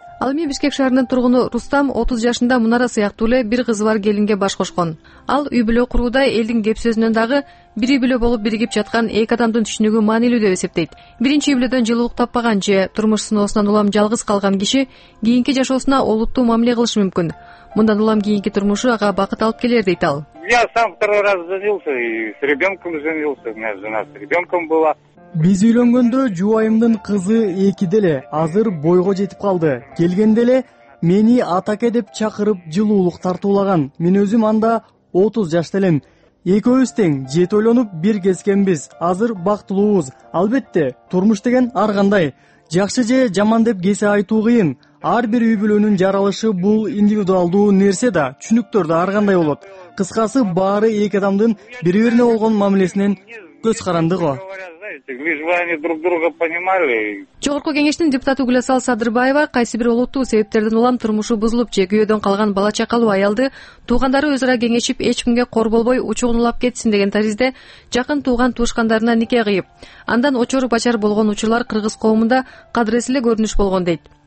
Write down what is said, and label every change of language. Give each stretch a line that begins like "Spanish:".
Kyrgyz: Ал эми Бишкек шаарынын тургуну Рустам 30 жашында Мунара сыяктуу эле бир кызы бар келинге баш кошкон. Ал үй бүлө курууда элдин кеп сөзүнөн дагы бир үй бүлө болуп биригип жаткан эки адамдын түшүнүгү маанилүү деп эсептейт. Биринчи үй бүлөдөн жылуулук таппаган же турмуш сыноосунан улам жалгыз калган киши кийинки жашоосуна олуттуу мамиле кылышы мүмкүн. Мындан улам кийинки турмушу ага бакыт алып келер дейт ал.
Russian: Я сам второй раз женился и с ребенком женился. У меня жена с ребенком была.
Kyrgyz: Биз үйлөнгөндө жубайымдын кызы эки деле, азыр бойго жетип калды. Келгенде эле мени атаке деп чакырып жылуулук тартуулаган. Мен өзүм анда 30 жашта элем. Экөөбүз тең жете ойлонуп бир кескенбиз. Азыр бактылуубуз. Албетте, турмуш деген ар кандай. Жакшы же жаман деп кесе айтуу кыйын. Ар бир үй бүлөнүн жаралышы бул индивидуалдуу нерсе да, түшүнүктөр да ар кандай болот. Кыскасы, баары эки адамдын бири-бирине болгон мамилесинен көз карандыго.
Russian: лишь бы они друг друга понимали.
Kyrgyz: Жогорку кеңештин депутаты Гүлөсал Садырбаева кайсы бир олуттуу себептерден улам турмушу бузулуп же күйөөдөн калган бала чакалуу аялды туугандары өзара кеңешип эч кимге кор болбой учугун улап кетсин деген таризде жакын тууган туушкандарына нике кыйып андан очору бачар болгон учурлар кыргыз коомунда кадыресе эле көрүнүш болгон дейт.